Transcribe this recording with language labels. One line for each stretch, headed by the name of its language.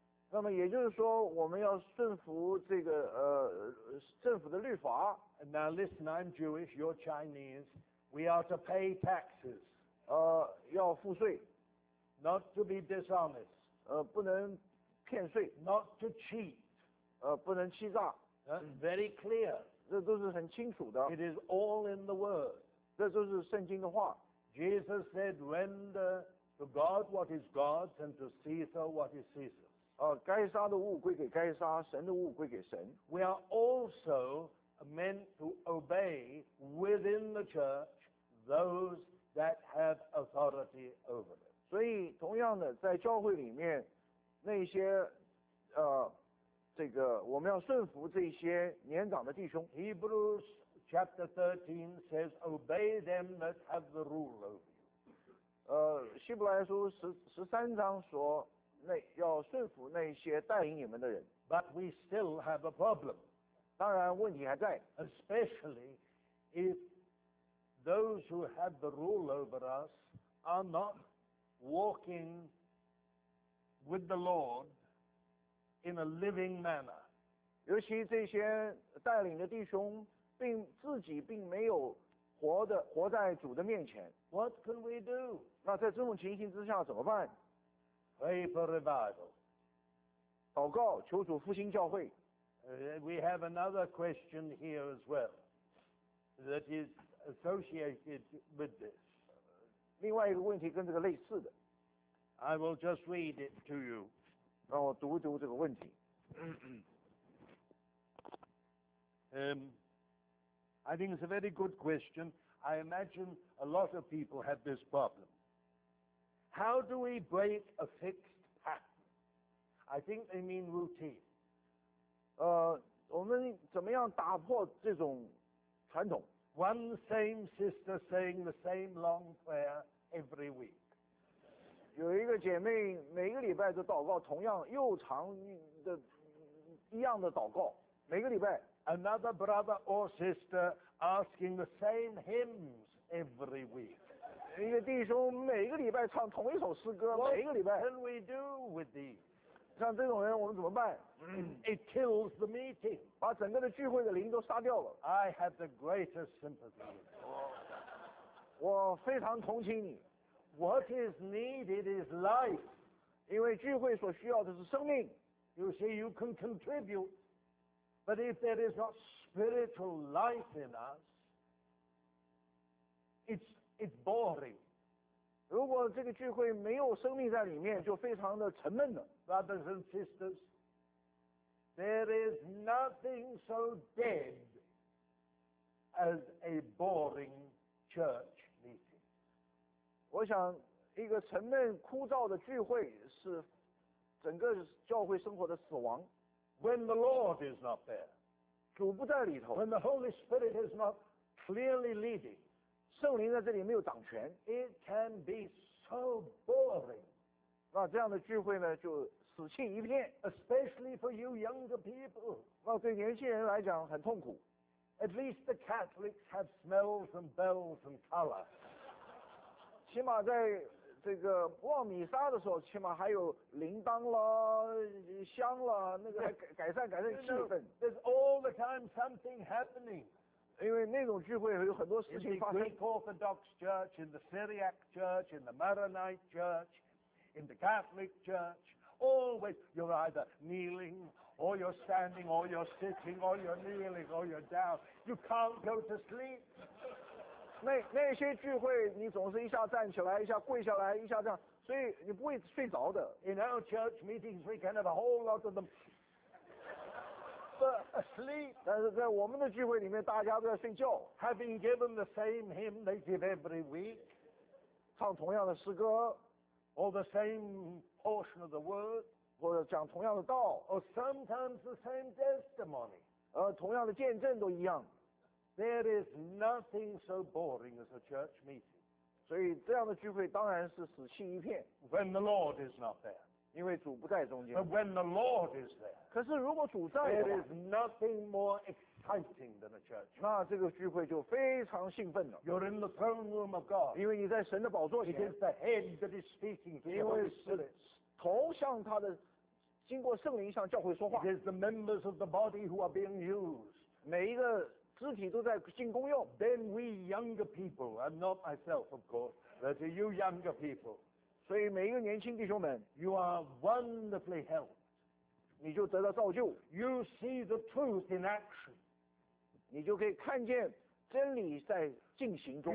Chinese: 那么也就是说，我们要顺服这个政府的律法。
English: Now listen, I'm Jewish, you're Chinese. We are to pay taxes.
Chinese: 要付税。
English: Not to be dishonest.
Chinese: 不能。骗税
English: ，not to cheat，
Chinese: 不能欺诈。
English: Very clear，
Chinese: 这都是很清楚的。
English: It is all in the word，
Chinese: 这都是圣经的话。
English: Jesus said, "Render to God what is God's, and to Caesar what is Caesar's."
Chinese: 该杀的物归给该杀，神的物归给神。
English: We are also meant to obey with within the church those that have authority over it.
Chinese: 所以同样的，在教会里面，那些这个我们要顺服这些年长的弟兄。
English: Hebrews chapter 13 says, "Obey them that have the rule over you."
Chinese: 希伯来书十三章说，那要顺服那些带领你们的人。
English: But we still have a problem.
Chinese: 当然问题还在。
English: Especially if those who have the rule over us are not walking with the Lord. In a living manner.
Chinese: 尤其这些带领的弟兄并自己并没有活在主的面前。
English: What can we do?
Chinese: 那在这种情形之下怎么办?
English: Pray for revival.
Chinese: 祷告求主复兴教会。
English: We have another question here as well that is associated with this.
Chinese: 另外一个问题跟这个类似的。
English: I will just read it to you.
Chinese: 让我读一读这个问题。
English: I think it's a very good question. I imagine a lot of people have this problem. How do we break a fixed pattern? I think they mean routine.
Chinese: 我们怎么样打破这种传统？
English: One same sister saying the same long prayer every week.
Chinese: 有一个姐妹每个礼拜都祷告同样又长的一样的祷告每个礼拜
English: another brother or sister asking the same hymns every week
Chinese: 一个弟兄每个礼拜唱同一首诗歌每个礼拜
English: what can we do with these
Chinese: 像这种人我们怎么办
English: it kills the meeting
Chinese: 把整个的聚会的灵都杀掉了
English: I have the greatest sympathy
Chinese: 我非常同情你
English: What is needed is life.
Chinese: 因为聚会所需要的是生命。
English: You see, you can contribute. But if there is not spiritual life in us, it's boring.
Chinese: 如果这个聚会没有生命在里面，就非常的沉闷了。
English: Brothers and sisters, there is nothing so dead as a boring church.
Chinese: 我想一个沉闷枯燥的聚会是整个教会生活的死亡
English: When the Lord is not there
Chinese: 主不在里头
English: When the Holy Spirit is not clearly leading
Chinese: 圣灵在这里没有掌权
English: It can be so boring
Chinese: 那这样的聚会呢就死气一片
English: Especially for you younger people
Chinese: 那对年轻人来讲很痛苦
English: At least the Catholics have smells and bells and color
Chinese: 起码在这个望米沙的时候，起码还有铃铛了、香了，那个还改善气氛。
English: You know, there's all the time something happening.
Chinese: 因为那种聚会有很多事情发生。
English: In the Greek Orthodox Church, in the Syriac Church, in the Maronite Church, in the Catholic Church, always you're either kneeling, or you're standing, or you're sitting, or you're kneeling, or you're down. You can't go to sleep.
Chinese: 那些聚会你总是一下站起来一下跪下来一下这样所以你不会睡着的
English: In our church meetings we can have a whole lot of them But asleep
Chinese: 但是在我们的聚会里面大家都在睡觉
English: Having given the same hymn they give every week
Chinese: 唱同样的诗歌
English: Or the same portion of the word
Chinese: 或者讲同样的道
English: Or sometimes the same testimony
Chinese: 同样的见证都一样
English: There is nothing so boring as a church meeting.
Chinese: 所以这样的聚会当然是死气一片。
English: When the Lord is not there.
Chinese: 因为主不在中间。
English: But when the Lord is there.
Chinese: 可是如果主在的话。
English: There is nothing more exciting than a church.
Chinese: 那这个聚会就非常兴奋了。
English: You're in the throne room of God.
Chinese: 因为你在神的宝座前。
English: It is the head that is speaking to the Spirit.
Chinese: 头向他的，经过圣灵向教会说话。
English: It is the members of the body who are being used.
Chinese: 每一个肢体都在进功用。
English: Then we younger people, and not myself, of course, but you younger people.
Chinese: 所以每一个年轻弟兄们
English: ，You are wonderfully helped.
Chinese: 你就得到造就。
English: You see the truth in action.
Chinese: 你就可以看见真理在进行中。